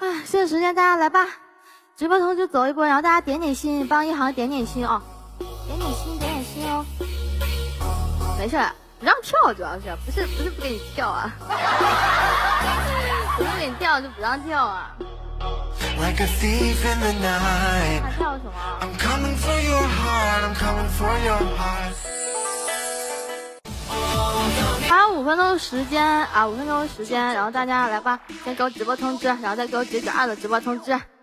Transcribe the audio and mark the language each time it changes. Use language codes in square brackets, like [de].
[zh] 这个时间大家来吧，直播通知走一波，然后大家点点心，帮一行点点心哦，点点心，点点心哦。没事，让跳主要是，不是不给你跳啊，不给你跳就不让跳啊。 [en] Like a thief in the night。 [zh] 还跳什么？ [en] I'm coming for your heart, I'm coming for your heart。 [zh] 还有五分钟时间，然后大家来吧，先给我直播通知，然后再给我992的直播通知。